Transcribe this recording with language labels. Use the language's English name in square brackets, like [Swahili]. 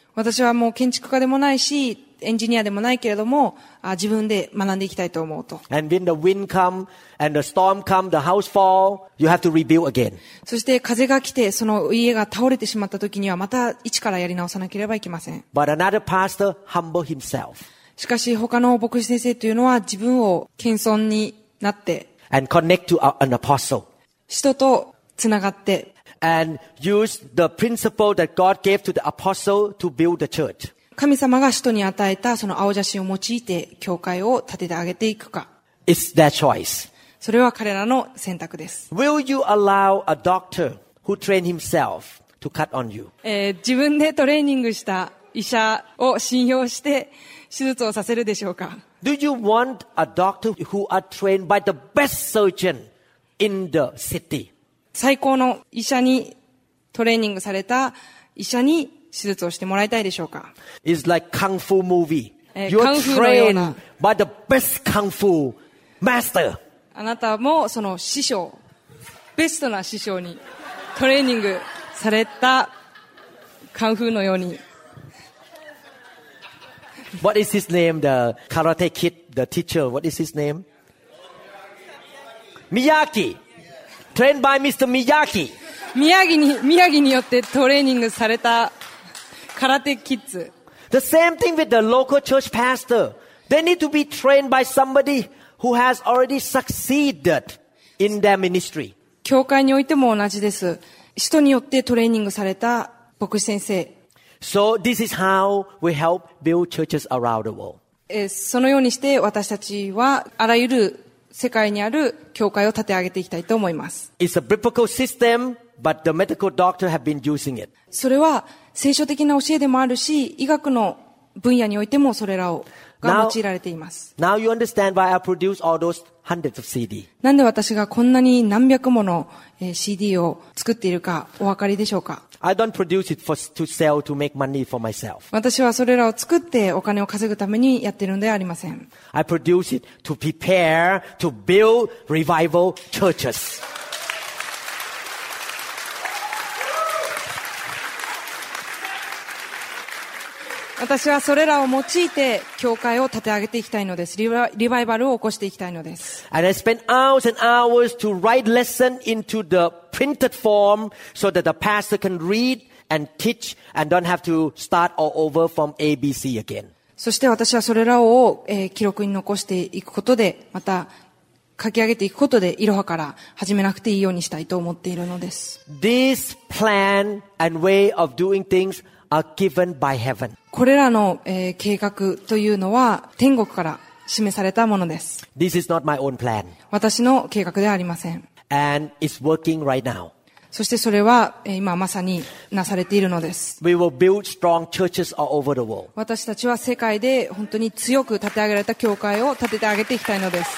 [Japanese] 私はもう建築家でもないし、エンジニアでもないけれども、自分で学んでいきたいと思うと。 [English] And when the wind come and the storm come, the house fall, you have to rebuild again. [Japanese] そして風が来て、その家が倒れてしまった時には、また一からやり直さなければいけません。 [English] But another pastor humble himself. [Japanese] しかし他の牧師先生というのは自分を謙遜になって、 [English] and connect to an apostle. [Japanese] 人とつながって、 [English] and use the principle that God gave to the apostle to build the church. [Japanese] 神様が使徒に与えたその青写真を用いて教会を建ててあげていくか。 [English] It's their choice. [Japanese] それは彼らの選択です。 [English] Will you allow a doctor who trained himself to cut on you? [Japanese] 自分でトレーニングした医者を信用して手術をさせるでしょうか。 [English] Do you want a doctor who are trained by the best surgeon in the city? [Japanese] 最高の医者にトレーニングされた医者に手術をしてもらいたいでしょうか。 [English] It's like kung fu movie. You're trained by the best kung fu master. [Japanese] あなたもその師匠、ベストな師匠にトレーニングされたカンフーのように。 [English] What is his name? The karate kid, the teacher. What is his name? Miyagi. Trained by Mr. Miyagi. [Japanese] Miyagi によってトレーニングされた。 [English] Karate Kids. The same thing with the local church pastor. They need to be trained by somebody who has already succeeded in their ministry. [Japanese] 教会においても同じです。人によってトレーニングされた牧師先生。 [English] So this is how we help build churches around the world. [Japanese] そのようにして私たちはあらゆる世界にある教会を立て上げていきたいと思います。 [English] It's a biblical system, but the medical doctor have been using it. [Japanese] それは聖書的な教えでもあるし、医学の分野においてもそれらをが用いられています。 [English] Now you understand why I produce all those hundreds of CD. [Japanese] なんで私がこんなに何百もの CD を作っているかお分かりでしょうか。 [English] I don't produce it for to sell to make money for myself. [Japanese] 私はそれらを作ってお金を稼ぐためにやってるんではありません。 [English] I produce it to prepare to build revival churches. [Japanese] 私はそれらを用いて教会を立て上げていきたいのです。リバイバルを起こしていきたいのです。 [English] And I spend hours and hours to write lesson into the printed form so that the pastor can read and teach and don't have to start all over from ABC again. [Japanese] そして私はそれらを、記録に残していくことで、また書き上げていくことで、いろはから始めなくていいようにしたいと思っているのです。 [English] This plan and way of doing things are given by heaven. [Japanese] これらの、計画というのは天国から示されたものです。 [English] This is not my own plan. [Japanese] 私の計画ではありません。 [English] And it's working right now. [Japanese] そしてそれは、今まさになされているのです。 [English] We will build strong churches all over the world. [Japanese] 私たちは世界で本当に強く建て上げられた教会を建ててあげていきたいのです。